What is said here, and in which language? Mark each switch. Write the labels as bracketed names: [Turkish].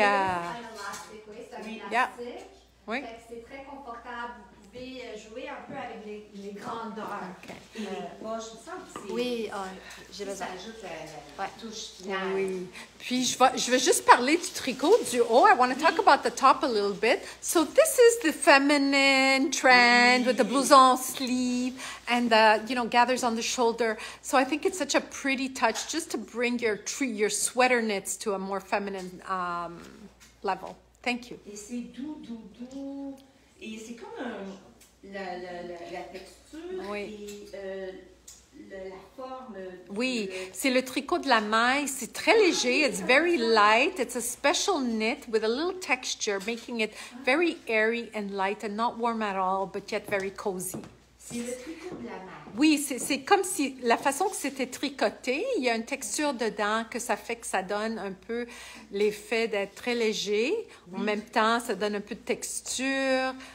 [French] C'est très confortable. pouvez jouer un peu avec les grandeurs. [English] Okay. [French] Et les poches, ça aussi. Oui, j'ai besoin. Ça ajoute la touche finale. Oui. Puis je vais juste parler du tricot du haut. [English] I want to talk about the top a little bit. So this is the feminine trend with the blouson sleeve and the, you know, gathers on the shoulder. So I think it's such a pretty touch just to bring your sweater knits to a more feminine level. Thank you. [French] Et c'est doux. Et c'est comme la texture. Oui. Et, la forme, oui, c'est le tricot de la maille. C'est très léger. [English] It's very light. It's a special knit with a little texture, making it very airy and light and not warm at all, but yet very cozy. [French] C'est le tricot de la maille. Oui, c'est comme si la façon que c'était tricoté, il y a une texture dedans que ça fait que ça donne un peu l'effet d'être très léger. Oui. En même temps, ça donne un peu de texture.